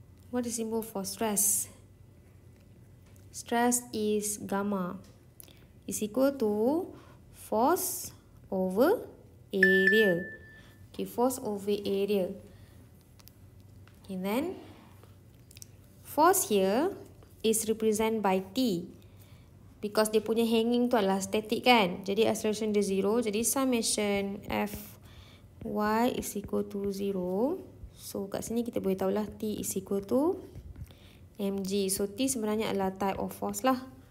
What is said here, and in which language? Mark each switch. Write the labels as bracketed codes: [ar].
[en] What is symbol for stress? Stress is gamma. Is equal to force over area. Okay, force over area. And then, force here is represented by T. [ms] Because dia punya hanging tu adalah static kan. Jadi, acceleration dia 0. [en] Jadi, summation Fy is equal to 0. [ms] So, kat sini kita boleh tahulah [en] T is equal to mg. So, T [ms] sebenarnya adalah [en] type of force lah.